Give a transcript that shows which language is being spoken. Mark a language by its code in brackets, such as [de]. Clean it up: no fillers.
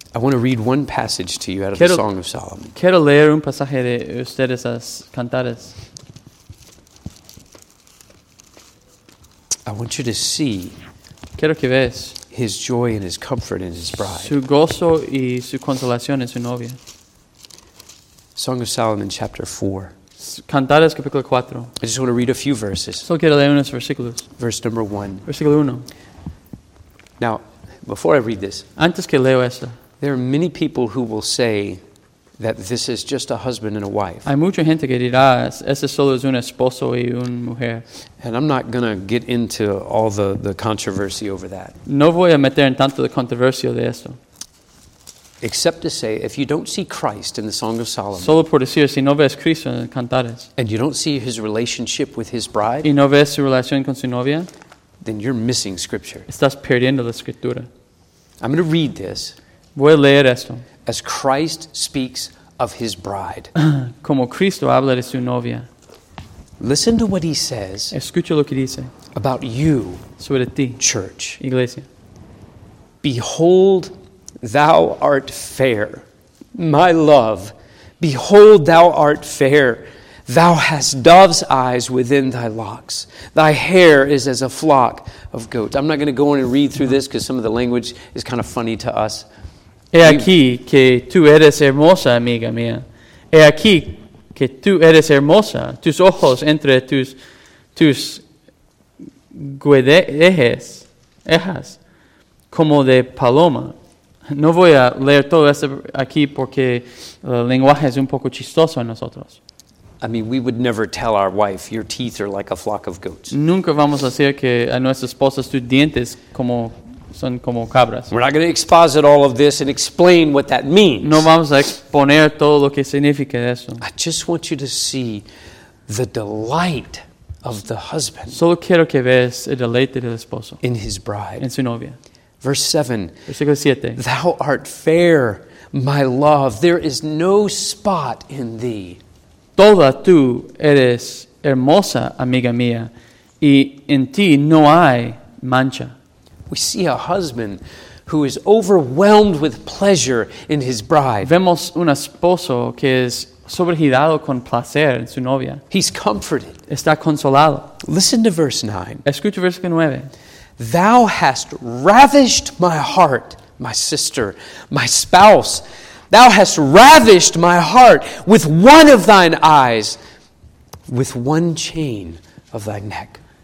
[en] I want to read one passage to you out of the Song of Solomon. [es] Quiero leer un pasaje de ustedes as cantares. [en] I want you to see [es] quiero que ves [en] his joy and his comfort in his bride. [es] Su gozo y su consolación en su novia. [en] Song of Solomon, chapter 4. [es] Cantares, capítulo 4. [en] I just want to read a few verses. [es] Solo quiero leer unos versículos. [en] Verse number 1. [es] Versículo 1. [en] Now, before I read this, [es] antes que leo esto, [en] there are many people who will say that this is just a husband and a wife. [es] Hay mucha gente que dirá, ese solo es un esposo y una mujer. [en] And I'm not going to get into all the controversy over that. [es] No voy a meter en tanto de controversia de esto. [en] Except to say, if you don't see Christ in the Song of Solomon, [es] solo por decir, si no ves Cristo en Cantares, [en] and you don't see his relationship with his bride, [es] y no ves su relación con su novia, [en] then you're missing Scripture. [es] Estás perdiendo la Escritura. [en] I'm going to read this. [es] Voy a leer esto. [en] As Christ speaks of his bride. [es] Como Cristo habla de su novia. [en] Listen to what he says. [es] Escucha lo que dice. [en] About you. [es] Sobre ti. [en] Church. [es] Iglesia. [en] Behold, thou art fair. My love. Behold, thou art fair. Thou hast dove's eyes within thy locks. Thy hair is as a flock of goats. I'm not going to go in and read through this because some of the language is kind of funny to us. [es] He aquí que tú eres hermosa, amiga mía. He aquí que tú eres hermosa. Tus ojos entre tus ejes como de paloma. No voy a leer todo esto aquí porque el lenguaje es un poco chistoso en nosotros. [en] I mean, we would never tell our wife, your teeth are like a flock of goats. [es] Nunca vamos a decir que a nuestras esposas tus dientes como son como cabras. [en] We're not going to exposit all of this and explain what that means. [es] No vamos a exponer todo lo que significa eso. [en] I just want you to see the delight of the husband. [es] Solo quiero que veas el deleite del esposo. [en] In his bride. [es] En su novia. [en] Verse 7. [es] Versículo 7. [en] Thou art fair, my love. There is no spot in thee. [es] Toda tú eres hermosa, amiga mía, y en ti no hay mancha. [en] We see a husband who is overwhelmed with pleasure in his bride. [es] Vemos un esposo que es sobregirado con placer en su novia. [en] He's comforted. [es] Está consolado. [en] Listen to verse 9. [es] Escucha versículo 9. [en] Thou hast ravished my heart, my sister, my spouse. Thou hast ravished my heart with one of thine eyes, with one chain of thy neck.